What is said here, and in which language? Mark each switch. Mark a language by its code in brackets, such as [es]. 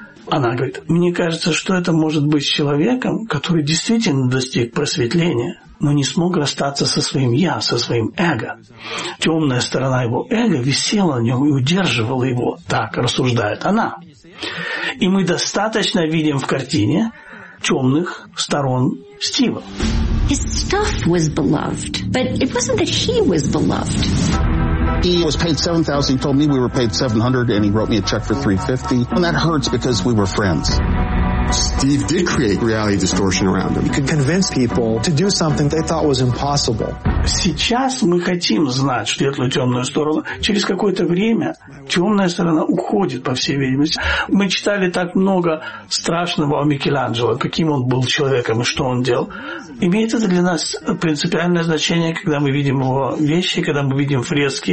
[ru] Она говорит, мне кажется, что это может быть человеком, который действительно достиг просветления, но не смог расстаться со своим «я», со своим эго. Темная сторона его эго висела на нем и удерживала его, так рассуждает она. И мы достаточно видим в картине темных сторон Стива. [en] His stuff was beloved, but it wasn't that he was beloved. He was paid $7,000. He told me we were paid $700, and he wrote me a check for $350. And that hurts because we were friends. Steve did create reality distortion around him. He could convince people to do something they thought was impossible. [ru] Сейчас мы хотим знать светлую темную сторону. Через какое-то время темная сторона уходит, по всей видимости. Мы читали так много страшного о Микеланджело, каким он был человеком и что он делал. Имеет это для нас принципиальное значение, когда мы видим его вещи, когда мы видим фрески?